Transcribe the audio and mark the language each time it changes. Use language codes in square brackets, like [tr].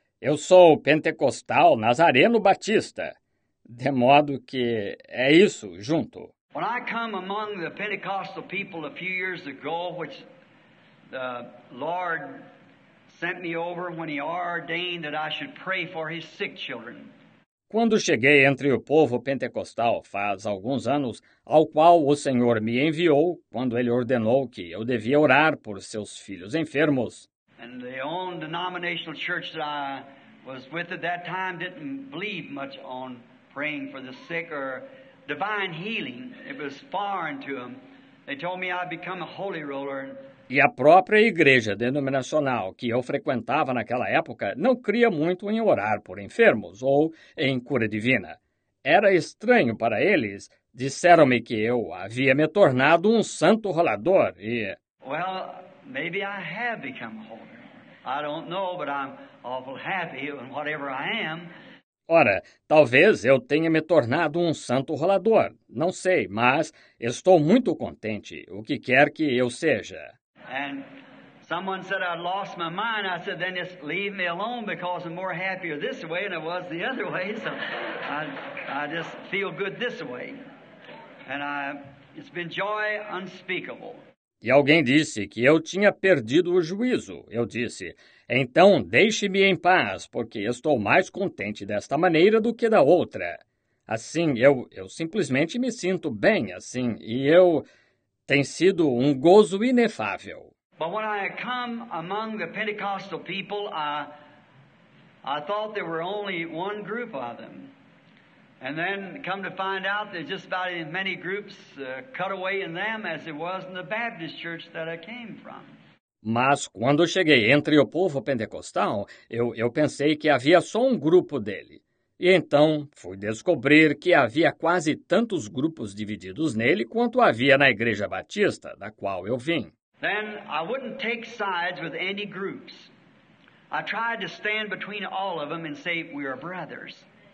[pt] Eu sou Pentecostal Nazareno Batista. De modo que é isso, junto. [en] When I come among the Pentecostal people a few years ago, which the Lord sent me over when he ordained that I should pray for his sick children. [pt] Quando cheguei entre o povo pentecostal faz alguns anos, ao qual o Senhor me enviou, quando ele ordenou que eu devia orar por seus filhos enfermos. [en] And the own denominational church that I was with at that time didn't believe much on praying for the sick or divine healing. It was foreign to them. They told me I'd become a holy roller. [pt] E a própria igreja denominacional que eu frequentava naquela época não cria muito em orar por enfermos ou em cura divina. Era estranho para eles. Disseram-me que eu havia me tornado um santo rolador e. [en] Well, maybe I have become a hoarder. I don't know, but I'm awful happy in whatever I am. [pt] Ora, talvez eu tenha me tornado um santo rolador. Não sei, mas estou muito contente, o que quer que eu seja. [en] And someone said I'd lost my mind. I said, then just leave me alone because I'm more happier this way than I was the other way. So I just feel good this way. And it's been joy unspeakable. [pt] E alguém disse que eu tinha perdido o juízo. Eu disse: então deixe-me em paz, porque estou mais contente desta maneira do que da outra. Assim, eu simplesmente me sinto bem assim, e eu tem sido um gozo inefável. [en] But when I come among the Pentecostal people, I thought there were only one group of them. And then come to find out there's just about as many groups cut away in them as there was in the Baptist church that I came from. [pt] Mas quando cheguei entre o povo pentecostal, eu pensei que havia só um grupo dele. E então fui descobrir que havia quase tantos grupos divididos nele quanto havia na Igreja Batista, da qual eu vim. [en] Then I wouldn't take sides with any groups. I tried to stand between all of them and say, we are brothers.